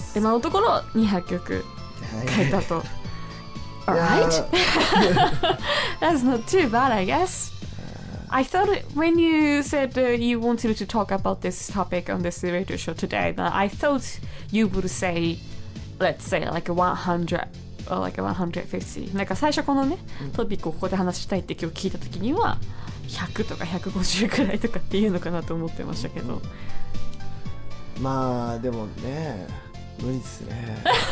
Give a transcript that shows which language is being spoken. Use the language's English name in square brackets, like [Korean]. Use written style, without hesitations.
[Japanese] 今のところ200曲書いたと。 [English] Alright. That's not too bad, I guess. I thought when you said you wanted to talk about this topic on this radio show today, that I thought you would say, let's say, like 100 or like 150. [Japanese] なんか最初このね、トピックをここで話したいって今日聞いた時には100とか150くらいとかっていうのかなと思ってましたけど。まあでもね、無理ですね。